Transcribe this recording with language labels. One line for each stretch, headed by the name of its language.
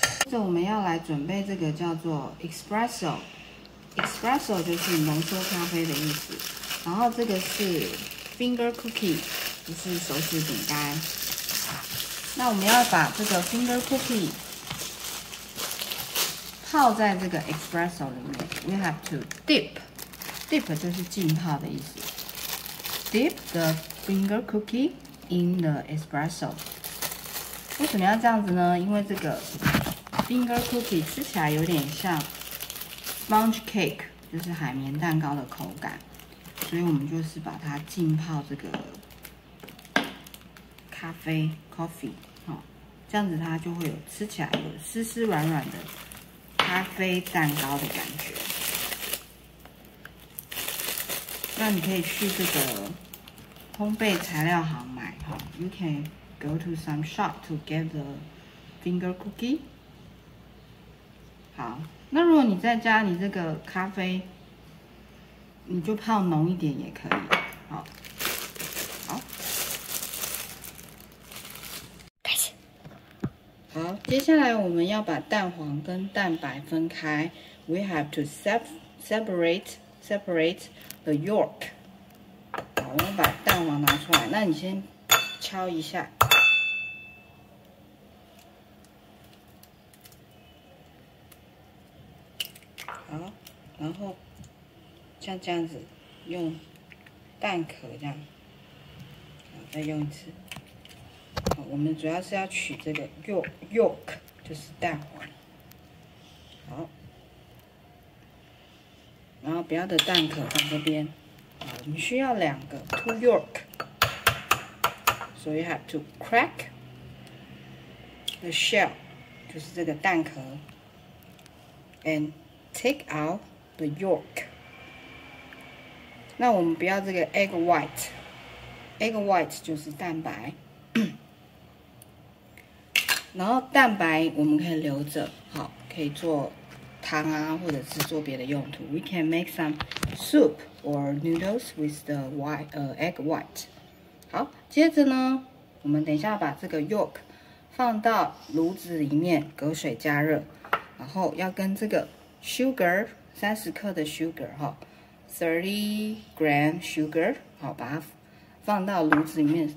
Chinese: 这我们要来准备这个叫做 espresso， espresso 就是浓缩咖啡的意思。然后这个是 finger cookie， 就是手指饼干。那我们要把这个 finger cookie 泡在这个 espresso 里面。
English: We have to dip， dip
Chinese: 就是浸泡的意思。
English: Dip the finger cookie in the espresso。
Chinese: 为什么要这样子呢？因为这个Finger cookie 吃起来有点像 sponge cake， 就是海绵蛋糕的口感，所以我们就是把它浸泡这个咖啡 coffee， 这样子它就会有吃起来有丝丝软软的咖啡蛋糕的感觉。那你可以去这个烘焙材料行买，
English: You can go to some shop to get the finger cookie。
Chinese: 好，那如果你在家，你这个咖啡你就泡浓一点也可以。好，好，开始。好，接下来我们要把蛋黄跟蛋白分开。
English: We have to separate the yolk。
Chinese: 好，我们把蛋黄拿出来，那你先敲一下。然后像这样子用蛋壳这样，然后再用一次。好，我们主要是要取这个 yolk， 就是蛋黄。好，然后不要的蛋壳放这边。好，我们需要两个
English: two yolk， so you have to crack the shell，
Chinese: 就是这个蛋壳，
English: and take out the yolk。
Chinese: 那我们不要这个 egg white， egg white 就是蛋白。然后蛋白我们可以留着，好，可以做汤啊，或者是做别的用途。
English: We can make some soup or noodles with the white, egg white。
Chinese: 好，接着呢我们等一下把这个 yolk 放到炉子里面隔水加热，然后要跟这个 sugar30克的 sugar， 哈 ，
English: 30 gram sugar，
Chinese: 好，把它放到炉子里面。